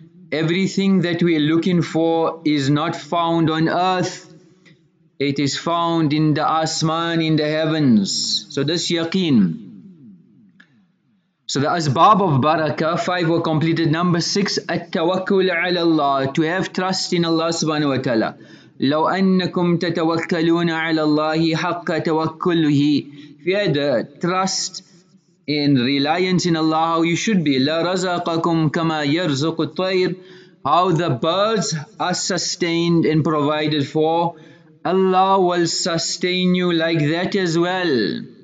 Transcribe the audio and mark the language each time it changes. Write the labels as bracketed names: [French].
[English] Everything that we are looking for is not found on earth. It is found in the asman, in the heavens. So this yaqeen. So the asbab of barakah, five were completed. Number six, at-tawakkul ala Allah, to have trust in Allah subhanahu wa ta'ala. [Arabic] لو أنكم تتوكلون على الله حق توكله. [English] If you had trust in reliance in Allah, how you should be. [Arabic] لا رزقكم كما يرزق الطير. [English] How the birds are sustained and provided for. Allah will sustain you like that as well.